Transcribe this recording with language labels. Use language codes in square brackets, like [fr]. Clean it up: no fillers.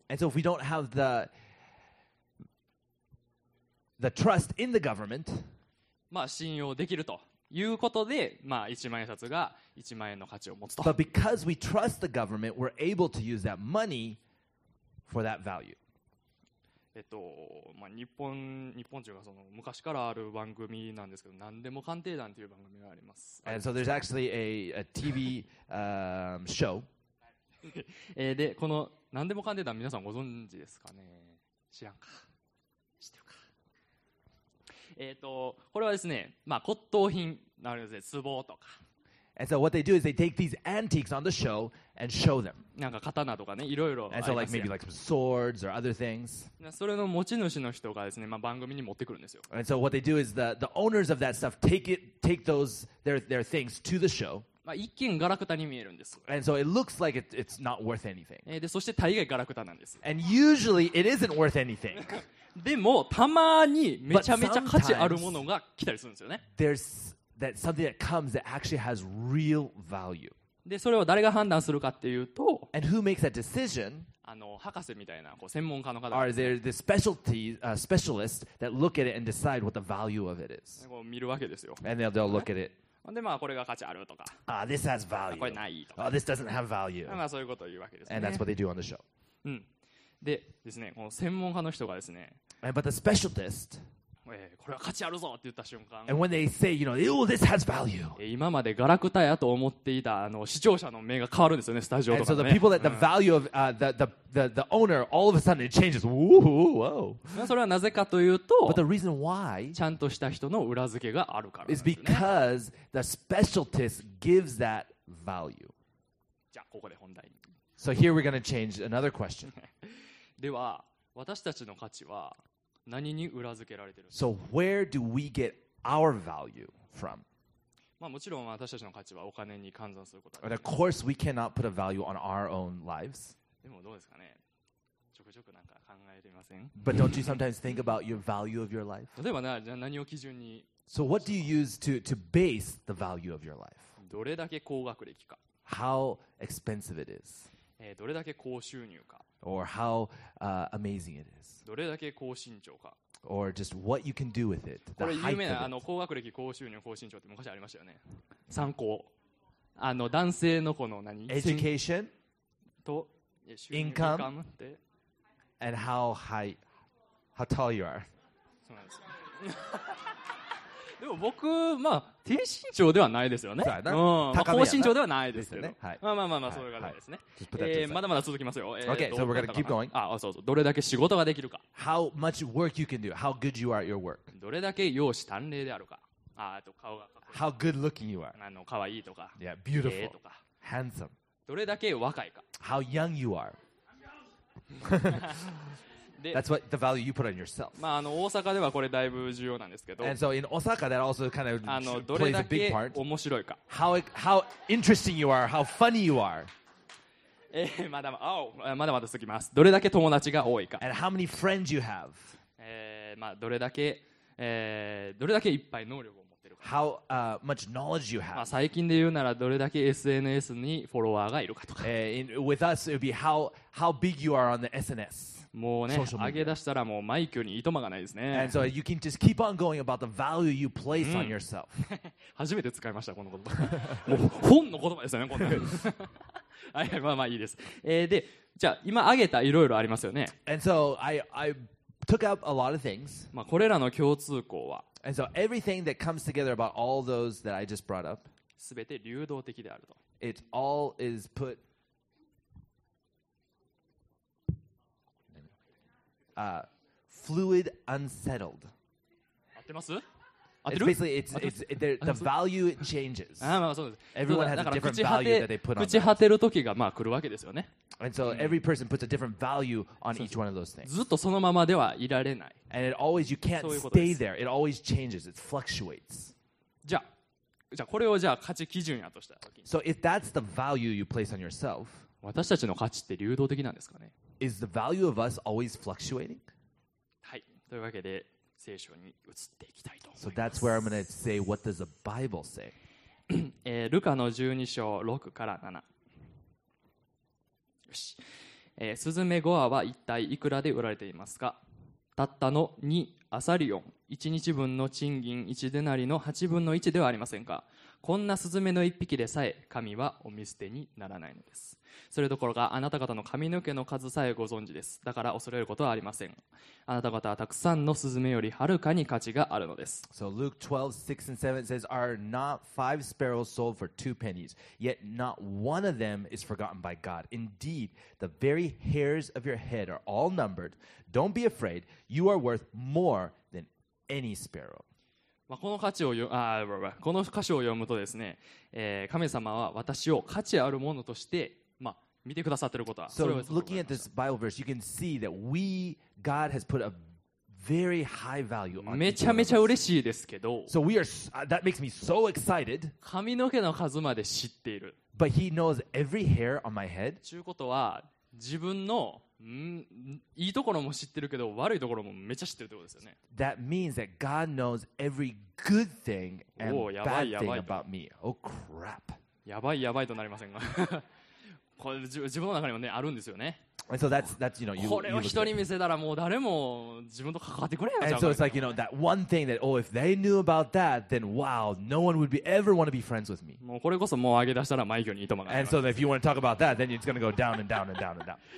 [en] And so if we don't have the trust in the government, [ja] まあ、信用できるということで、まあ、1万円札が1万円の価値を持つと。 [en] But because we trust the government, we're able to use that money for that value. [ja] まあ、日本というかその昔からある番組なんですけど、何でも鑑定団という番組があります。 [en] And so there's actually a TV show. [ja] で、この何でも鑑定団、皆さんご存知ですかね？知らんか。知ってるか。これはですね、まあ、骨董品なんですね、壺とか。 [en] And so what they do is they take these antiques on the show and show them. [ja] なんか刀とかね、いろいろ。 [en] And so like maybe like some swords or other things. [ja] それの持ち主の人がですね、まあ、番組に持ってくるんですよ。 [en] And so what they do is the owners of that stuff take those their things to the show. [ja] まあ一見ガラクタに見えるんです。 [en] And so it looks like it's not worth anything. [ja] でそして大概ガラクタなんです。 [en] And usually it isn't worth anything. [ja] でもたまにめちゃめちゃ価値あるものが来たりするんですよね。 [en] That something that comes that actually has real value. [ja] で、それを誰が判断するかっていうと、 [en] and who makes that decision? [ja] あの、博士みたいなこう専門家の方。 [en] Are there the specialty, specialists that look at it and decide what the value of it is? [ja] こう見るわけですよ。 [en] And they'll look at it. [ja] で、まあこれが価値あるとか。 [en] Ah, this has value. [ja] これないとか。 [en] Oh, this doesn't have value. [ja] まあそういうことを言うわけですね。 [en] And that's what they do on the show. [ja] うん。で、ですね、この専門家の人がですね。 [en] And but the specialist. [ja] これは価値あるぞって言った瞬間。 [en] And when they say, you know, oh, this has value. [ja] 今までガラクタやと思っていたあの視聴者の目が変わるんですよね、スタジオとかね。 [en] And so the people that the value of the owner all of a sudden it changes. Ooh, whoa. [ja] それはなぜかというと、 [en] But the reason why [ja] ちゃんとした人の裏付けがあるからですね。 [en] Is because the specialist gives that value. [ja] じゃあここで本題に。 [en] So here we're going to change another question. [ja] では私たちの価値は何に裏付けられてる。 [en] So where do we get our value from? [ja] まあもちろん私たちの価値はお金に換算することです。 [en] But of course we cannot put a value on our own lives. [ja] でもどうですかね。ちょくちょくなんか考えてみません。 [en] But don't you sometimes think about your value of your life? [ja] 例えばな、じゃあ何を基準に。 [en] So what do you use to base the value of your life? [ja] どれだけ高学歴か。 [en] How expensive it is. [ja] どれだけ高収入か。 [en] Or how amazing it is. [ja] どれだけ高身長か。 [en] Or just what you can do with it. [ja] これ有名なあの高学歴、高収入、高身長って昔ありましたよね。参考。あの男性のこの何 [en] ?Education [ja] と収入、income で。 [en] And how high, how tall you are. [ja] そうなんですよ。でも僕、まあ、低身長ではないですよね。うん、まあ、高身長ではないですけど。はい、まあまあまあまあ、そういう感じですね、はいはい。まだまだ続きますよ。 [en] Okay, so we're gonna keep going. [ja] あ、そうそう。どれだけ仕事ができるか。 [en] How much work you can do. How good you are at your work. [ja] どれだけ容姿端麗であるか。あ、あと顔がかっこいい。 [en] How good looking you are. [ja] あの、かわいいとか。 [en] Yeah, beautiful. [ja] とか。 [en] Handsome. [ja] どれだけ若いか。 [en] How young you are. That's what the value you put on yourself. [ja] まああの大阪ではこれだいぶ重要なんですけど。 [en] And so in Osaka, that also kind of plays a big part. [ja] あのどれだけ面白いか。 [en] How interesting you are, how funny you are. [ja] まだまだ、oh, まだまだ続きます。どれだけ友達が多いか。 [en] And how many friends you have. [ja] まあどれだけどれだけいっぱい能力を持ってるか。 [en] How much knowledge you have. [ja] 最近で言うならどれだけ SNS にフォロワーがいるかとか。 [en] With us, it would be how big you are on the SNS. [ja] もうね、上げ出したらもうマイクにいとまがないですね。 And so you can just keep on going about the value you place on yourself. 初めて使いましたこの言葉。もう本の言葉ですよねこんな。はい、まあまあいいです。で、じゃあ今上げたいろいろありますよね。 [en] And so I took up a lot of things. [ja] まあこれらの共通項は。 [en] And so everything that comes together about all those that I just brought up. [ja] すべて流動的であると。 [en] It all is put. Fluid, unsettled. [ja] 合ってます？合ってる？ [en] Basically, it's the value it changes. [ja] ああ、まあそうです。 [en] Everyone has a different value that they put on. [ja] 朽ち果てる時がまあ来るわけですよね。 [en] And so every person puts a different value on each one of those things. [ja] ずっとそのままではいられない。 [en] And it always you can't stay there. It always changes. It fluctuates. [ja] じゃあこれをじゃあ価値基準やとしたら。 [en] So if that's the value you place on yourself, [ja] 私たちの価値って流動的なんですかね？ [en] Is the value of us always fluctuating? [ja] はい。というわけで聖書に移っていきたいと思います。 So that's where I'm going to say what does the Bible say? ルカの12章6から7。よし。スズメ5羽は一体いくらで売られていますか？たったの2アサリオン。 1日分の賃金1デナリの8分の1ではありませんか？こんなスズメの1匹でさえ神はお見捨てにならないのです。それどころかあなた方の髪の毛の数さえご存知です。だから恐れることはありません。あなた方はたくさんのスズメよりはるかに価値があるのです。 [en] So Luke 12, 6 and 7 says, Are not five sparrows sold for two pennies? Yet not one of them is forgotten by God. Indeed, the very hairs of your head are all numbered. Don't be afraid. You are worth more than any sparrow. [ja] まあ、この箇所を読むとですね、神様は私を価値あるものとして、まあ、見てくださっていることは、それを [en] looking at this Bible verse, you can see that we, God has put a very high value on [ja] めちゃめちゃ嬉しいですけど、 [en] so we are, that makes me so excited. [ja] 髪の毛の数まで知っている。 [en] But he knows every hair on my head. [ja] ということは、自分のいいところも知ってるけど悪いところもめちゃ知ってるってことですよね。 [en] That means that God knows every good thing and bad thing about me. Oh crap. [ja] やばいやばいとなりませんか。これ自分の中にもねあるんですよね。 [en] And so that's you know you. [ja] これを人に見せたらもう誰も自分と関わってくれないじゃん。 [en] And so it's like you know that one thing that oh if they knew about that then wow no one would be ever want to be friends with me. [ja] もうこれこそもう上げ出したらマイクにいとまがない。 [en] And so if you want to talk about that then it's gonna go down and down and down and down.